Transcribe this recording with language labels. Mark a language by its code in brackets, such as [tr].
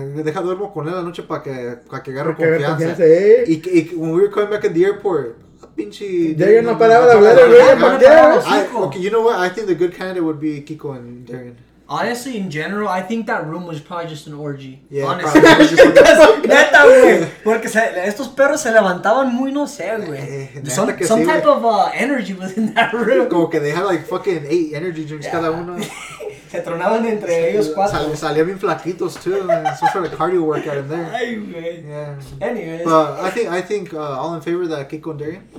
[es] Deja duermo con él anoche para que agarre confianza. [en] When we were coming back at the airport, a pinche... [es] Darian no paraba de hablar, güey. [en] Okay, you know what? I think the good candidate would be Kiko and Darian. Honestly, in general, I think that room was probably just an orgy. Yeah, honestly. [es] Neta, güey. Porque estos perros se levantaban muy no sé, güey. [en] Some type of energy was in that room. [es] Como que [en] they had like fucking 8 energy drinks [es] cada uno. Se tronaban entre ellos 4. Salían bien flaquitos, [en] too. Some sort of cardio workout in there. [es] Ay, güey. Yeah. [en] Anyways. But I think all in favor of that Kiko and Darian?